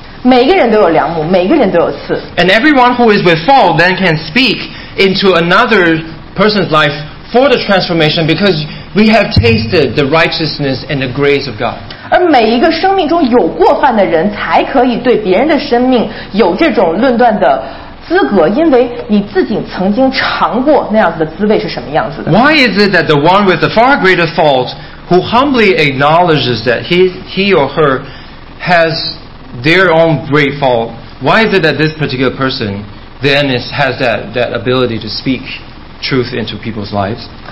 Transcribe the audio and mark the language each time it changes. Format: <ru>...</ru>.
<zh>每个人都有梁木，每个人都有刺。</zh> <en>And everyone who is with fault then can speak into another person's life for the transformation because we have tasted the righteousness and the grace of God.</en> <zh>而每一个生命中有过犯的人才可以对别人的生命有这种论断的 资格，因为你自己曾经尝过那样子的滋味是什么样子的。</zh> <en>Why is it that the one with the far greater fault who humbly acknowledges that he or her has their own great fault, why is it that this particular person then has that ability to speak truth into people's lives?</en>